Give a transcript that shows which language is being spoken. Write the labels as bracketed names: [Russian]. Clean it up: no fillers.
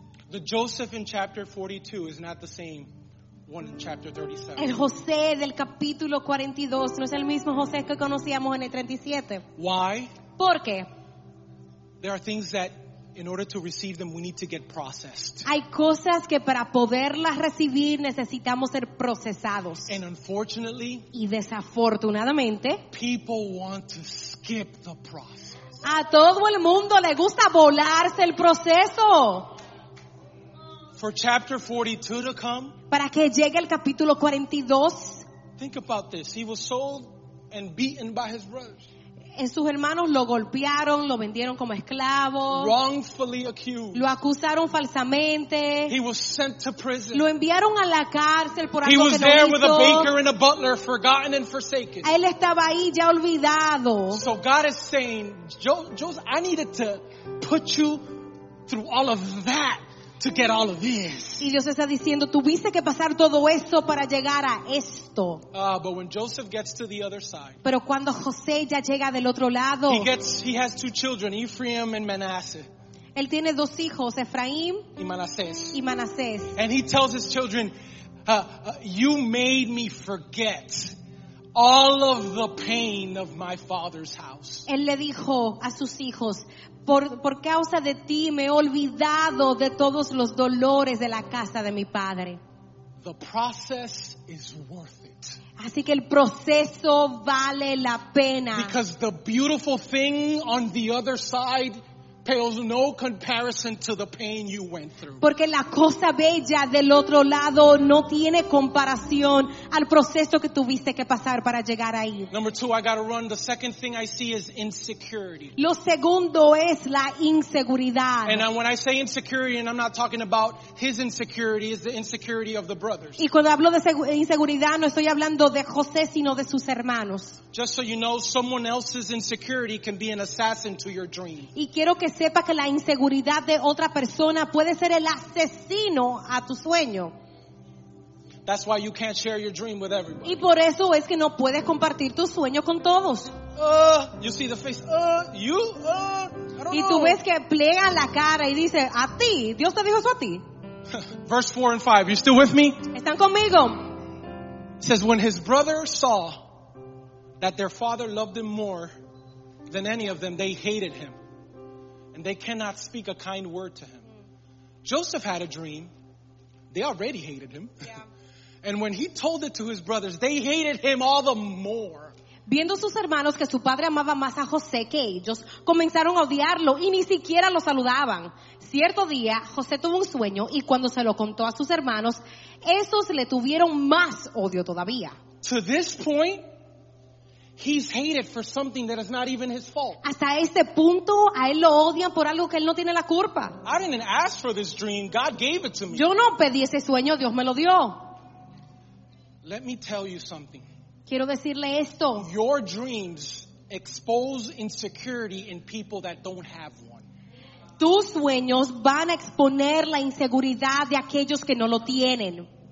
[English] The Joseph in chapter 42 is not the same one in chapter 37. [Spanish] El José del capítulo 42 no es el mismo José que conocíamos en el 37. [English] Why? [Spanish] ¿Por qué? [English] There are things that in order to receive them we need to get processed. [Spanish] Hay cosas que para poderlas recibir necesitamos ser procesados. [English] And unfortunately, [Spanish] y desafortunadamente, [English] people want to skip the process. [Spanish] A todo el mundo le gusta volarse el proceso. [English] For chapter 42 to come. [Spanish] Para que llegue el capítulo 42. [English] Think about this. He was sold and beaten by his brothers. [Spanish] En sus hermanos lo golpearon, lo vendieron como esclavo. [English] Wrongfully accused. [Spanish] Lo acusaron falsamente. [English] He was sent to prison. [Spanish] Lo enviaron a la cárcel por algo que [English] He was there with a baker and a butler, forgotten and forsaken. [Spanish] Él estaba ahí ya olvidado. [English] So God is saying, Joseph, I needed to put you through all of that. To get all of this. [Spanish] Y Dios está diciendo, tuviste que pasar todo esto para llegar a esto. [English] But when Joseph gets to the other side, [Spanish] pero cuando José ya llega del otro lado, [English] he has two children, Ephraim and Manasseh. [Spanish] Él tiene dos hijos, Efraín y Manasés. Y Manasés. [English] And he tells his children, you made me forget all of the pain of my father's house. [Spanish] Él le dijo a sus hijos, Por causa de ti me he olvidado de todos los dolores de la casa de mi padre. [English] The process is worth it. [Spanish] Así que el proceso vale la pena. [English] Because the beautiful thing on the other side pales no comparison to the pain you went through. [Spanish] Porque la cosa bella del otro lado no tiene comparación al proceso que tuviste que pasar para llegar ahí. [English] Number two, I gotta run. The second thing I see is insecurity. [Spanish] Lo segundo es la inseguridad. [English] And when I say insecurity, and I'm not talking about his insecurity, is the insecurity of the brothers. [Spanish] Y cuando hablo de inseguridad, no estoy hablando de José, sino de sus hermanos. [English] Just so you know, someone else's insecurity can be an assassin to your dream. [Spanish] Y quiero que sepa que la inseguridad de otra persona puede ser el asesino a tu sueño. [English] That's why you can't share your dream with everybody. [Spanish] Y por eso es que no puedes compartir tu sueño con todos. [English] You see the face. You. [Spanish] Y tú ves que pliega la cara y dice, a ti. Dios te dijo eso a ti. [English] Verse 4 and 5. You still with me? [Spanish] Están conmigo. [English] It says, when his brother saw that their father loved him more than any of them, they hated him. And they cannot speak a kind word to him. Joseph had a dream. They already hated him. Yeah. And when he told it to his brothers, they hated him all the more. [Spanish] Viendo sus hermanos que su padre amaba más a José que ellos, comenzaron a odiarlo y ni siquiera lo saludaban. Cierto día, José tuvo un sueño y cuando se lo contó a sus hermanos, esos le tuvieron más odio todavía. [English] To this point, he's hated for something that is not even his fault. [Spanish] Hasta este punto, a él lo odian por algo que él no tiene la culpa. [English] I didn't ask for this dream, God gave it to me. [Spanish] Yo no pedí ese sueño, Dios me lo dio. [English] Let me tell you something. [Spanish] Quiero decirle esto. [English] Your dreams expose insecurity in people that don't have one. [Spanish] Tus sueños van a exponer la inseguridad de aquellos que no lo tienen.